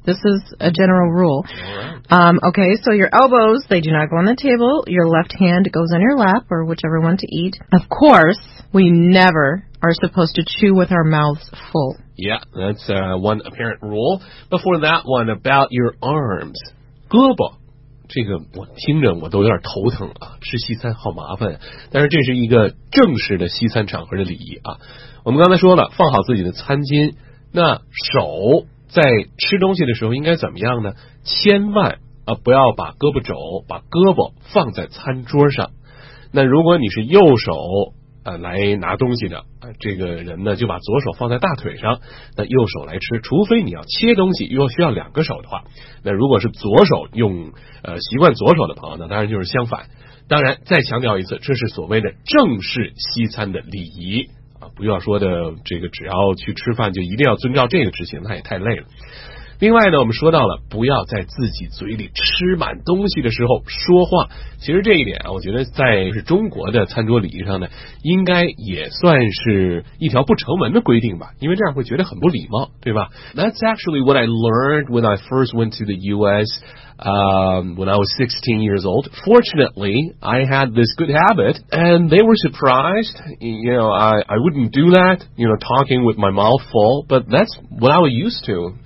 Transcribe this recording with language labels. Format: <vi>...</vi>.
<en>This is a general rule. Okay, so your elbows, they do not go on the table. Your left hand goes on your lap or whichever one to eat. Of course, we never are supposed to chew with our mouths full. Yeah, that's one apparent rule. Before that one, about your arms. 胳膊</en> <zh>这个我听着我都有点头疼啊，吃西餐好麻烦呀。但是这是一个正式的西餐场合的礼仪啊。我们刚才说了，放好自己的餐巾，那手在吃东西的时候应该怎么样呢？千万不要把胳膊肘、把胳膊放在餐桌上。那如果你是右手来拿东西的这个人呢，就把左手放在大腿上，那右手来吃。除非你要切东西又需要两个手的话，那如果是左手用习惯左手的朋友，那当然就是相反。当然再强调一次，这是所谓的正式西餐的礼仪啊，不要说的这个只要去吃饭就一定要遵照这个执行，那也太累了。另外呢，我们说到了不要在自己嘴里吃满东西的时候说话。其实这一点啊，我觉得在是中国的餐桌礼仪上呢，应该也算是一条不成文的规定吧，因为这样会觉得很不礼貌，对吧？</zh> <en>That's actually what I learned when I first went to the US, when I was 16 years old. Fortunately, I had this good habit, and they were surprised. You know, I wouldn't do that, you know, talking with my mouth full, but that's what I was used to.</en>